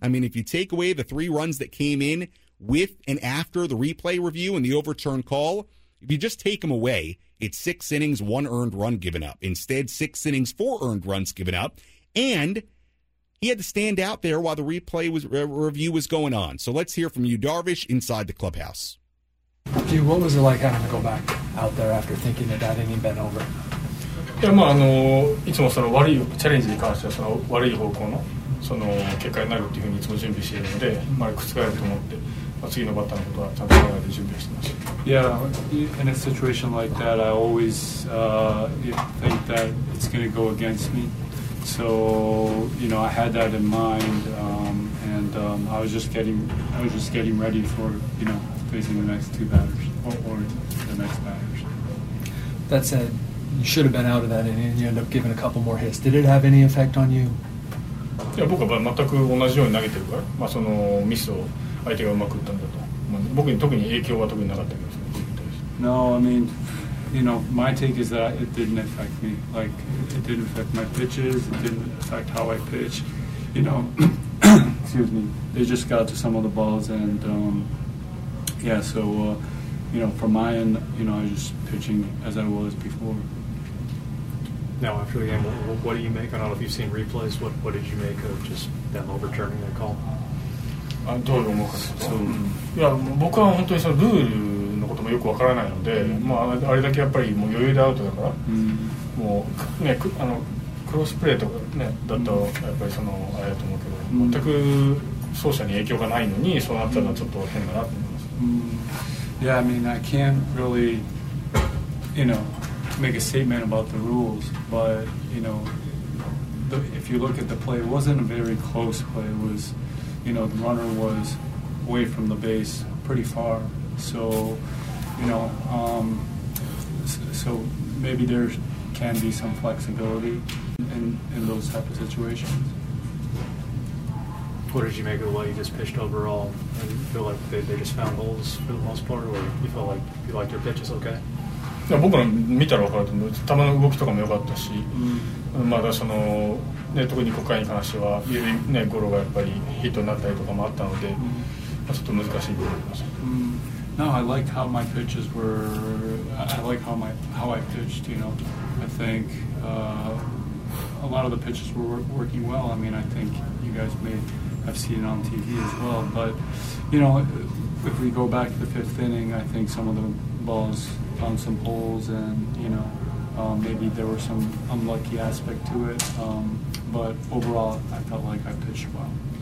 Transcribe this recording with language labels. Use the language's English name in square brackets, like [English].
[English] I mean, if you take away the three runs that came in, with and after the replay review and the overturned call, if you just take them away, it's 6 innings, 1 earned run given up. Instead, 6 innings, 4 earned runs given up. And he had to stand out there while the replay was review was going on. So let's hear from Yu Darvish inside the clubhouse. Yu, what was it like having to go back out there after thinking that that inning been over? [Japanese] Yeah, まあ, いつもその悪いチャレンジに関してはその悪い方向のその結果になるっていうふうにいつも準備しているので、まあ、覆ると思って。次のバッターのことはちゃんと考えて準備してます。 [English] Yeah, in a situation like that, I always think that it's going to go against me. So, you know, I had that in mind, I was just getting ready for, you know, facing the next two batters or the next batters. That said, you should have been out of that inning. You end up giving a couple more hits. Did it have any effect on you? [Japanese] いや、僕は全く同じように投げてるから、まあ、そのミスを相手がうまく打ったんだと、まあ、僕に特に影響は特になかったけど、ね、 [English] No, I mean, you know, my take is that it didn't affect me. Like, it didn't affect my pitches, it didn't affect how I pitch. You know, excuse me, they just got to some of the balls and, yeah, so, you know, from my end, you know, I was just pitching as I was before. Now, after the game, what do you make? I don't know if you've seen replays. What did you make of just them overturning that call? [Japanese] どう思うか。そう。いや、僕は本当にそのルールのこともよくわからないので、まああれだけやっぱりもう余裕でアウトだから、もうね、あのクロスプレーとかね、だとやっぱりそのあれだと思うけど、全く走者に影響がないのにそうなったのはちょっと変だなと思います。 [English] Yeah, I mean, I can't really, you know. Make a statement about the rules, but you know, if you look at the play, it wasn't a very close play. It was, you know, the runner was away from the base pretty far. So, you know, so maybe there can be some flexibility in those type of situations. What did you make of the way you just pitched overall? Did you feel like they just found holes for the most part, or you felt like you liked your pitches okay? [Japanese] いや僕の見たら分かると思う。球の動きとかも良かったし、うん、まだその、ね、特に5回に関しては、ね、ゴロがやっぱりヒットになったりとかもあったので、うんまあ、ちょっと難しいと思います。 [English] No, I like how my pitches were. I like how I pitched. You know, I think a lot of the pitches were working well. I mean, I think you guys may have seen it on TV as well. But you know, if we go back to the fifth inning, I think some of the ballsfound some holes and you know maybe there were some unlucky aspect to it but overall I felt like I pitched well.